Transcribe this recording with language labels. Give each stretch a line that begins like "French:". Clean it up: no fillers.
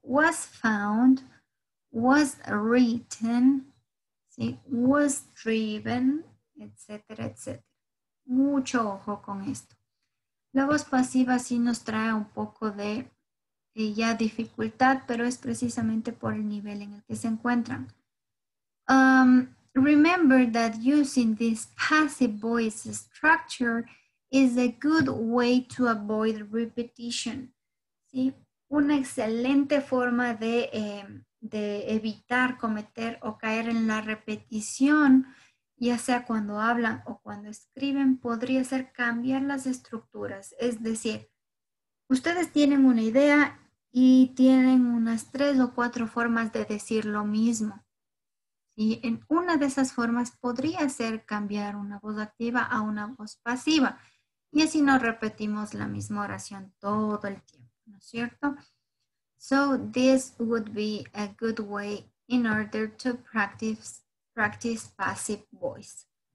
English: Was found, was written,
Spanish: ¿sí?
English: Was driven,
Spanish: etcétera, etcétera. Mucho ojo con esto. La voz pasiva sí nos trae un poco de ya dificultad, pero es precisamente por el nivel en el que se encuentran.
English: Remember that using this passive voice structure is a good way to avoid repetition.
Spanish: ¿Sí? Una excelente forma de evitar cometer o caer en la repetición, ya sea cuando hablan o cuando escriben, podría ser cambiar las estructuras. Es decir, ustedes tienen una idea y tienen unas 3 o 4 formas de decir lo mismo. Y en una de esas formas podría ser cambiar una voz activa a una voz pasiva. Y así no repetimos la misma oración todo el tiempo, ¿no es cierto?
English: So this would be a good way in order to practice passive voice.